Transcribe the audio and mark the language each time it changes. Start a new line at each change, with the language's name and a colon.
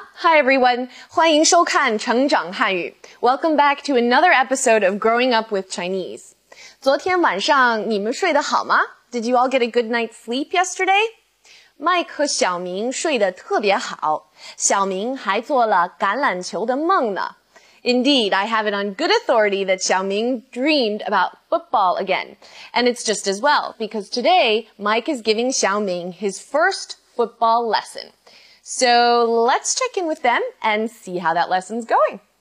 English: Hi everyone,
Chinese: 欢迎收看成长汉语。
English: Welcome back to another episode of Growing Up with Chinese.
Chinese: 昨天晚上你们睡得好吗?
English: Did you all get a good night's sleep yesterday?
Chinese: Mike 和小明睡得特别好。小明还做了橄榄球的梦呢。
English: Indeed, I have it on good authority that Xiao Ming dreamed about football again. And it's just as well, because today, Mike is giving Xiao Ming his first football lesson. So let's check in with them and see how that lesson's going.